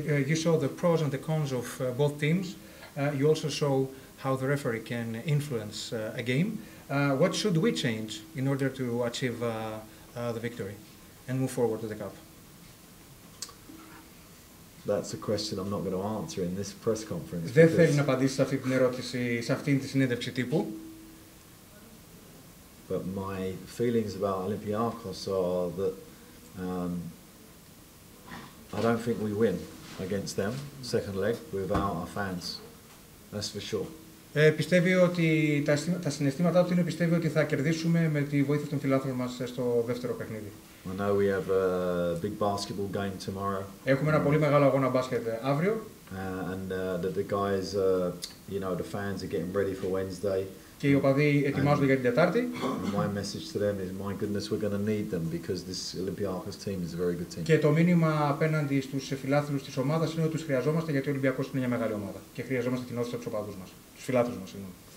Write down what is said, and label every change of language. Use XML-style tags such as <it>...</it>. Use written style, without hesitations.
<en>You saw the pros and the cons of both teams. You also saw how the referee can influence a game. What should we change in order to achieve the victory and move forward to the cup? That's a question I'm not going to answer in this press conference.</en> <el>Δεν θέλει να απαντήσει σε αυτή την ερώτηση, σε αυτήν τη συνέντευξη τύπου.</el> <en>But my feelings about Olympiacos are that I don't think we win against them second leg without our fans. That's for sure.</en> <el>Πιστεύει ότι τα συναισθήματά του είναι πιστεύει ότι θα κερδίσουμε με τη βοήθεια των φιλάθλων μας στο δεύτερο παιχνίδι.</el> <en>I know we have a big basketball game tomorrow.</en> <el>Έχουμε ένα πολύ μεγάλο αγώνα μπάσκετ αύριο.</el> <en>And the guys, you know, the fans are getting ready for Wednesday.</en> <el>Και οι οπαδοί ετοιμάζονται για την Τετάρτη.</el> <en>My message to them is, my goodness, we're going to need them because this Olympiacos team is a very good team.</en> <el>Και το μήνυμα απέναντι στους φιλάθλους της ομάδας είναι ότι τους χρειαζόμαστε γιατί ο Ολυμπιακός είναι μια μεγάλη ομάδα και χρειαζόμαστε την όθηση από τους οπαδούς μας, τους φιλάθλους μας, συγγνώμη.</el>